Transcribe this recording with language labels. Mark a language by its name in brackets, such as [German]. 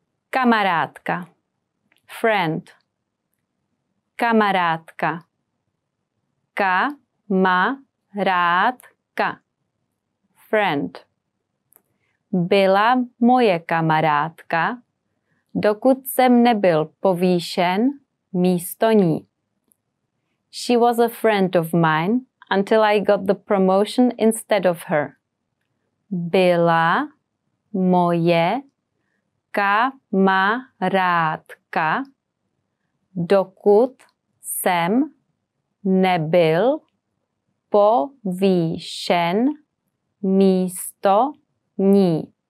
[Czech] Kamarádka, friend. Kamarádka, kamarádka, friend. Byla moje kamarádka, dokud jsem nebyl povýšen místo ní. [English] She was a friend of mine until I got the promotion instead of her. [Czech] Byla moje kamarádka, dokud jsem nebyl povýšen místo ní.